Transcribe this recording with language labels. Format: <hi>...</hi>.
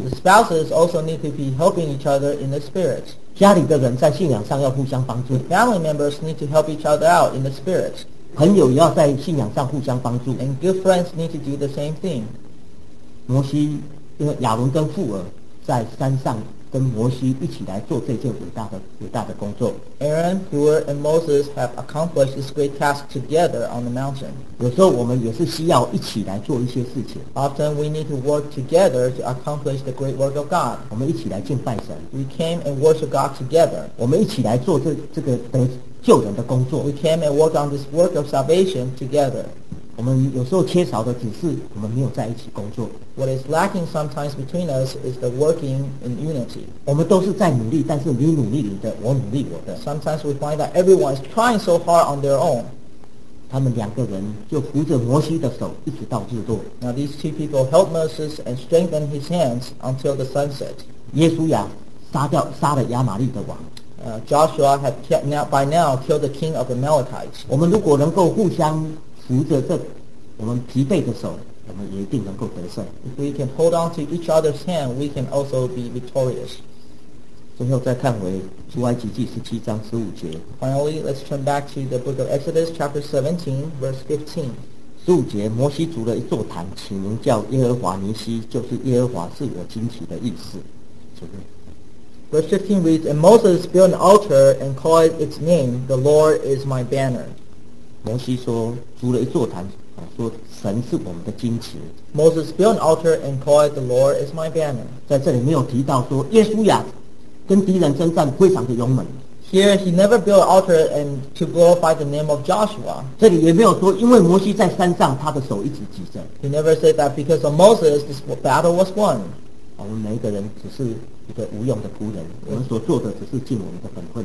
<en>The spouses also need to be helping each other in the spirit.</en> <zh>家里的人在信仰上要互相帮助。</zh> <en>The family members need to help each other out in the spirit.</en> <zh>朋友也要在信仰上互相帮助。</zh> <en>And good friends need to do the same thing.</en> <zh>摩西、亚伦跟父儿。在山上跟摩西一起来做这件伟大的工作。</zh> <en>Aaron, Hur, and Moses have accomplished this great task together on the mountain.</en> <zh>有时候我们也是需要一起来做一些事情。</zh> <en>Often we need to work together to accomplish the great work of God.</en> <zh>我们一起来敬拜神。</zh> <en>We came and worship God together.</en> <zh>我们一起来做这个得救人的工作。</zh> <en>We came and worked on this work of salvation together.</en> <zh>我们有时候缺少的只是我们没有在一起工作。</zh> <en>What is lacking sometimes between us is the working in unity.</en> <zh>我们都是在努力，但是你努力你的，我努力我的。</zh> <en>Sometimes we find that everyone is trying so hard on their own.</en> <zh>他们两个人就扶着摩西的手一直到日落。</zh> <en>Now these two people helped Moses and strengthened his hands until the sunset.</en> <zh>耶稣亚杀了亚玛力的王。</zh> <en>Joshua had by now killed the king of the Amalekites.</en> <zh>我们如果能够互相扶着这我们疲惫的手，我们也一定能够得胜。</zh> <en>If we can hold on to each other's hand, we can also be victorious.</en> <zh>最后再看回出埃及记十七章十五节。</zh> <en>Finally, let's turn back to the book of Exodus, chapter 17, verse 15.</en> <zh>十五节，摩西筑了一座坛，起名叫耶和华尼西，就是耶和华是我旌旗的意思。</zh> <en>Verse 15 reads, And Moses built an altar and called its name, The Lord is my banner.</en> <zh>摩西说筑了一座坛说神是我们的旌旗</zh> <en>Moses built an altar and called the Lord is my banner</en> <zh>在这里没有提到说耶稣亚跟敌人征战非常的勇猛</zh> <en>Here he never built an altar and to glorify the name of Joshua</en> <zh>这里也没有说因为摩西在山上他的手一直举着</zh> <en>He never said that because of Moses this battle was won</en> <zh>我们每一个人只是一个无用的仆人，我们所做的只是尽我们的本分。</zh>